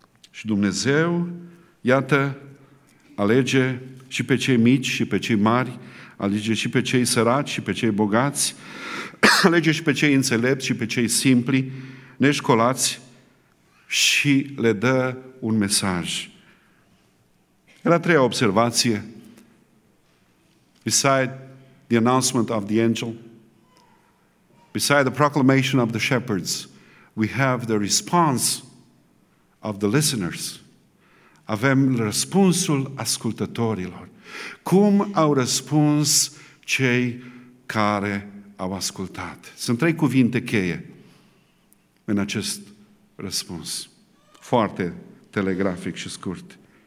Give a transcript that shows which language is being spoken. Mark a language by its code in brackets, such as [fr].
[ro] Și Dumnezeu, iată, alege și pe cei mici și pe cei mari, alege și pe cei săraci și pe cei bogați, alege și pe cei înțelepți și pe cei simpli, neșcolați, și le dă un mesaj. La treia observație, [en] beside the announcement of the angel, beside the proclamation of the shepherds, we have the response of the listeners. [ro] Avem răspunsul ascultătorilor. Cum au răspuns cei care au ascultat? Sunt trei cuvinte cheie în acest răspuns, foarte telegrafic și scurt.